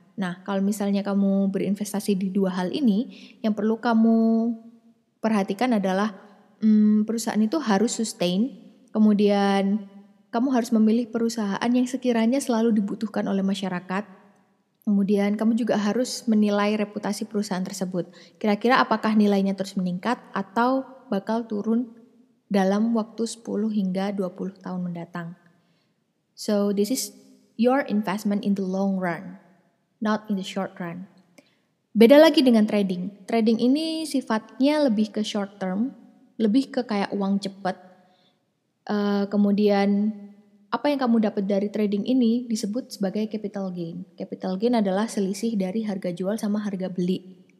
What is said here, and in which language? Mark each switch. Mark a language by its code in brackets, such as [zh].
[id] Nah, kalau misalnya kamu berinvestasi di dua hal ini, yang perlu kamu perhatikan adalah perusahaan itu harus sustain, kemudian kamu harus memilih perusahaan yang sekiranya selalu dibutuhkan oleh masyarakat. Kemudian kamu juga harus menilai reputasi perusahaan tersebut. Kira-kira apakah nilainya terus meningkat atau bakal turun dalam waktu 10 hingga 20 tahun mendatang. [en] So this is your investment in the long run, not in the short run. [id] Beda lagi dengan trading. Trading ini sifatnya lebih ke short term, lebih ke kayak uang cepat. Kemudian apa yang kamu dapat dari trading ini disebut sebagai capital gain. Capital gain adalah selisih dari harga jual sama harga beli.